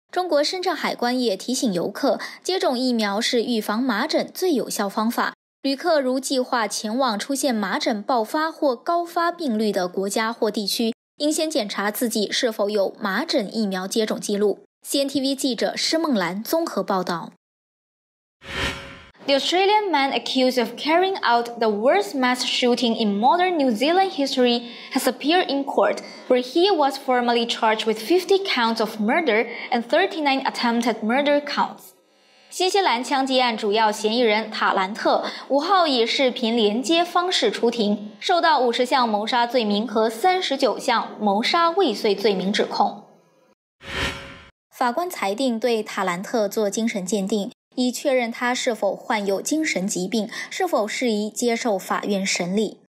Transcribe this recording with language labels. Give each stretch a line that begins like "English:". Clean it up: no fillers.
Chinese: 中国深圳海关也提醒游客，接种疫苗是预防麻疹最有效方法。旅客如计划前往出现麻疹爆发或高发病率的国家或地区，应先检查自己是否有麻疹疫苗接种记录。 CNTV 记者施梦兰综合报道。
English: The Australian man accused of carrying out the worst mass shooting in modern New Zealand history has appeared in court, where he was formally charged with 50 counts of murder and 39 attempted murder counts.
Chinese: 新西兰枪击案主要嫌疑人塔兰特5号以视频连接方式出庭，受到50项谋杀罪名和39项谋杀未遂罪名指控。法官裁定对塔兰特做精神鉴定，以确认他是否患有精神疾病，是否适宜接受法院审理。